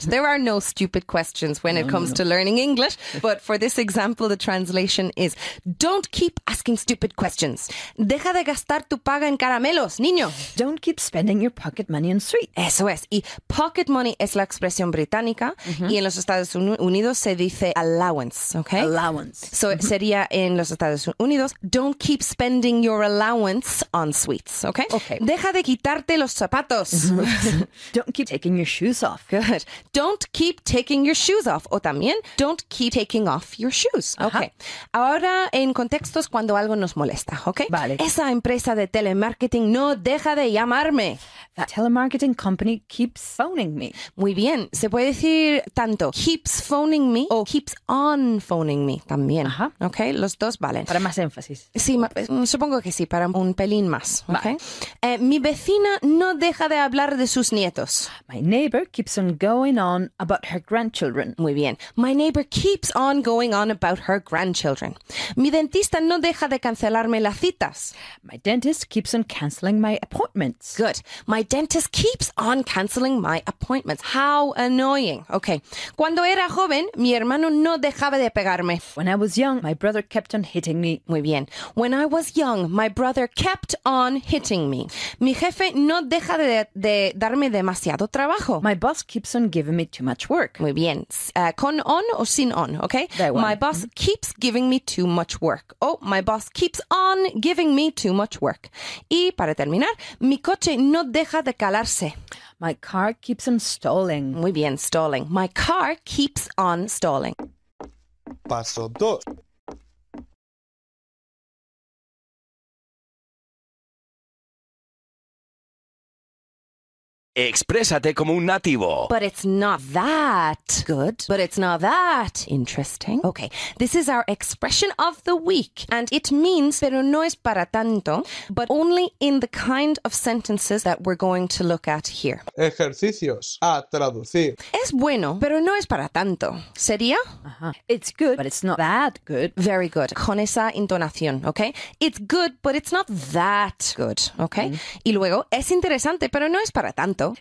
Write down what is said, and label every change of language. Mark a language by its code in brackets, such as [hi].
[en] There are no stupid questions when it comes to learning English. But for this example, the translation is don't keep asking stupid questions. [es] Deja de gastar tu paga en caramelos, niño. [en] Don't keep spending your pocket money on sweets. [es] Eso es. Y pocket money es la expresión británica. Uh-huh. Y en los Estados Unidos se dice allowance, okay? [en] Allowance. So uh-huh. [es] Sería en los Estados Unidos, [en] don't keep spending your allowance on sweets, okay? Okay. [es] Deja de quitarte los zapatos. [en] Don't keep taking your shoes off. Good. Don't keep taking your shoes off. [es] O también, [en] don't keep taking off your shoes. Okay. Uh-huh. [es] Ahora en contextos cuando algo nos molesta, okay? Vale. Esa empresa de telemarketing no deja de llamarme. [en] That telemarketing company keeps phoning me. [es] Muy bien. Se puede decir tanto [en] keeps phoning me [es] o [en] keeps on phoning me [es] también. Ajá. Ok, los dos valen. Para más énfasis. Sí, supongo que sí, para un pelín más. Okay. Vale. Mi vecina no deja de hablar de sus nietos. [en] My neighbor keeps on going on about her grandchildren. [es] Muy bien. [en] My neighbor keeps on going on about her grandchildren. [es] Mi dentista no deja de cancelarme las citas. [en] My dentist keeps on canceling my appointments. Good. My dentist keeps on canceling my appointments. How annoying. Okay. [es] Cuando era joven, mi hermano no dejaba de pegarme. [en] When I was young, my brother kept on hitting me. [es] Muy bien. [en] When I was young, my brother kept on hitting me. [es] Mi jefe no deja de darme demasiado trabajo. [en] My boss keeps on giving me too much work. [es] Muy bien. Con on o sin on, okay? [en] That one. My boss keeps giving me too much work. Oh, my boss keeps on giving me too much work. [es] Y para terminar, mi coche no deja de calarse. [en] My car keeps on stalling. [es] Muy bien, [en] stalling. My car keeps on stalling. [es] Paso 2. Exprésate como un nativo. [en] But it's not that good. But it's not that interesting. Okay, this is our expression of the week. And it means, [es] pero no es para tanto, [en] but only in the kind of sentences that we're going to look at here. [es] Ejercicios a traducir. Es bueno, pero no es para tanto. ¿Sería? [en] Uh-huh. It's good, but it's not that good. Very good. [es] Con esa intonación, [en] okay? It's good, but it's not that good, okay? [es] Mm-hmm. Y luego, es interesante, pero no es para tanto.